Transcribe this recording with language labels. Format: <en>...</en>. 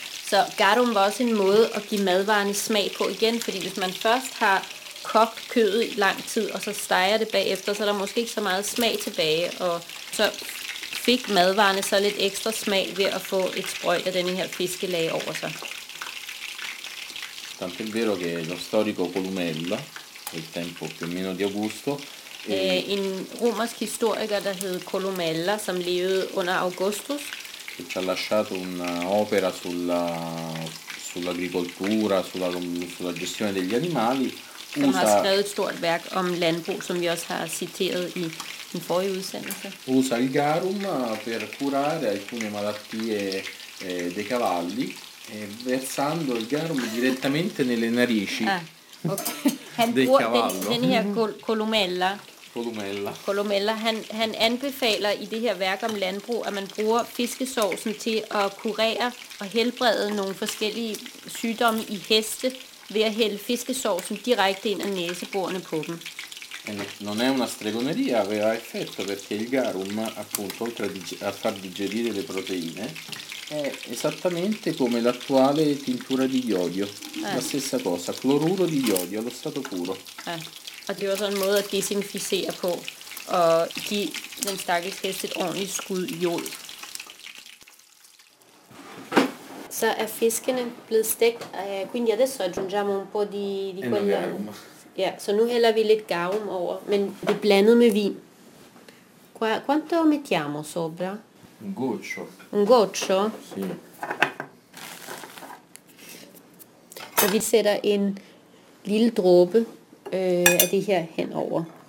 <da>Så garum var også en måde at give madvarerne smag på igen, fordi hvis man først har kogt kødet i lang tid, og så steger det bagefter, så er der måske ikke så meget smag tilbage, og så fik madvarerne så lidt ekstra smag ved at få et sprøjt af den her fiskelag over sig.</da> <it>Tant è vero che lo storico Columella, il tempo più o meno di Augusto,</it> <da>en romersk historiker, der hed Columella, som levede under Augustus,</da> <it>che ci ha lasciato un'opera sull'agricoltura, sulla gestione degli animali.</it> <da>Som har skrevet et stort værk om landbrug, som vi også har citeret i den forrige udsendelse.</da> <it>Usa il garum per curare alcune malattie dei cavalli, versando il garum direttamente nelle narici del cavallo.</it> <da>Den her columella. Columella, han anbefaler i det her værk om landbrug, at man bruger fiskesovsen til at kurere og helbrede nogle forskellige sygdomme i heste ved at hælde fiskesovsen direkte ind af næseborene på dem.</da> <it>Non è una stregoneria, aveva effetto perché il garum, appunto, oltre a far digerire le proteine, è esattamente come l'attuale tintura di iodio. La stessa cosa, cloruro di iodio allo stato puro.</it> <da>Og det var sådan en måde at desinficere på, og give den stakkels hest et ordentligt skud jod. Så er fiskene blevet stegt.</da> <it>Quindi adesso aggiungiamo un po' di quello.</it> <da>Ja, så nu hælder vi lidt garum over, men det er blandet med vin.</da> <it>Quanto mettiamo sopra? Un goccio. Un goccio? Sì.</it> <da>Så vi sætter en lille dråbe af det her henover.</da>